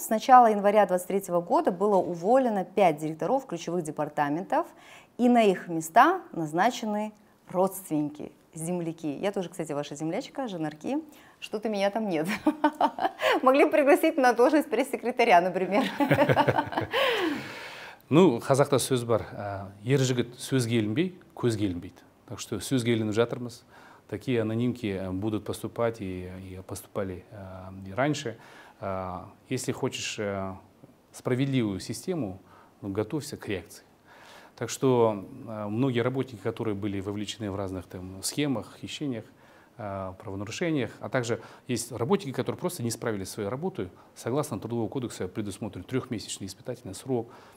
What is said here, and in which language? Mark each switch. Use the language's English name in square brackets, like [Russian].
[Russian] С начала января 2023 года было уволено 5 директоров ключевых департаментов, и на их места назначены родственники, земляки. Я тоже, кстати, ваша землячка, Жанарки. Что-то меня там нет. Могли бы пригласить на должность пресс-секретаря, например. [Kazakh] Ну, қазақта сөз бар. Ер жігіт сөзге ілінбей, көзге ілінбейді. [Russian] Так что [Kazakh] сөзге ілініп жатырмыз. [Russian] Такие анонимки будут поступать и поступали и раньше. Если хочешь справедливую систему, готовься к реакции. Так что многие работники, которые были вовлечены в разных там схемах, хищениях, правонарушениях, а также есть работники, которые просто не справились с своей работой, согласно Трудовому кодексу предусмотрен 3-месячный испытательный срок.